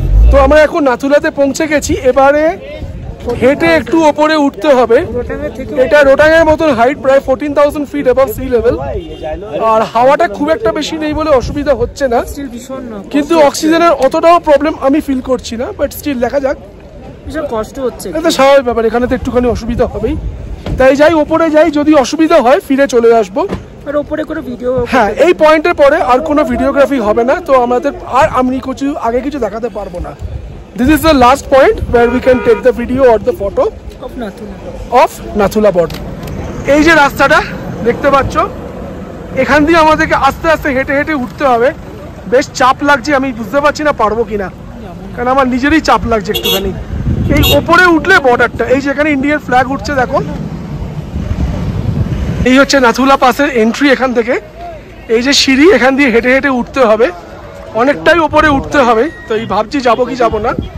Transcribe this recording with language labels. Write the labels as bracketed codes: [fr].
[bn] তো আমরা এখন নাথুলাতে পৌঁছে গেছি, এবারে হেঁটে একটু ওপরে উঠতে হবে, এটা রোটাংয়ের মতন হাইট, প্রায় 14,000 ফিট অ্যাবাভ সি লেভেল, আর হাওয়াটা খুব একটা বেশি নেই বলে অসুবিধা হচ্ছে না, কিন্তু অক্সিজেনের অতটাও প্রবলেম আমি ফিল করছি না, বাট স্টিল দেখা যাক, ভীষণ কষ্ট হচ্ছে, এটা স্বাভাবিক ব্যাপার, এখানে তো একটুখানি অসুবিধা হবেই, তাই যাই ওপরে যাই, যদি অসুবিধা হয় ফিরে চলে আসবো। আর ওপরে কোনো ভিডিও, হ্যাঁ এই পয়েন্টের পরে আর কোনো ভিডিওগ্রাফি হবে না, তো আমাদের আর আমি কিছু আগে কিছু দেখাতে পারবো না। [en] This is the last point where we can take the video or the photo of Nathula Border. [bn] এই যে রাস্তাটা দেখতে পাচ্ছ, এখান দিয়ে আমাদেরকে আস্তে আস্তে হেঁটে হেঁটে উঠতে হবে, বেশ চাপ লাগছে, আমি বুঝতে পারছি না পারবো কিনা, কারণ আমার নিজেরই চাপ লাগছে একটুখানি। এই ওপরে উঠলে বর্ডারটা, এই যে এখানে ইন্ডিয়ান ফ্ল্যাগ উঠছে দেখো, এই হচ্ছে নাথুলা পাসের এন্ট্রি, এখান থেকে এই যে সিঁড়ি, এখান দিয়ে হেঁটে হেঁটে উঠতে হবে, অনেকটাই উপরে উঠতে হবে, তো এই ভাবছি যাবো কি যাবো না।